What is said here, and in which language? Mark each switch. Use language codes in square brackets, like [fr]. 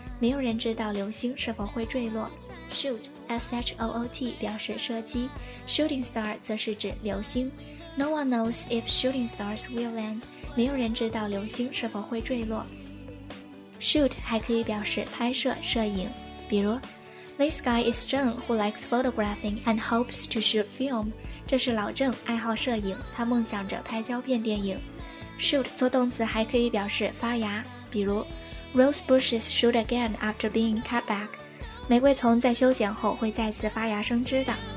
[zh] 没有人知道流星是否会坠落。 Shoot, S-H-O-O-T 表示射击。Shooting star 则是指流星。 [en] No one knows if shooting stars will land. [zh] 没有人知道流星是否会坠落。 Shoot 还可以表示拍摄、摄影。比如 [en] This guy is Zheng who likes photographing and hopes to shoot film. [zh] 这是老郑，爱好摄影，他梦想着拍胶片电影。 [en] Shoot [zh] 做动词还可以表示发芽，比如 [en] Rose bushes shoot again after being cut back. [zh] 玫瑰丛在修剪后会再次发芽生枝的。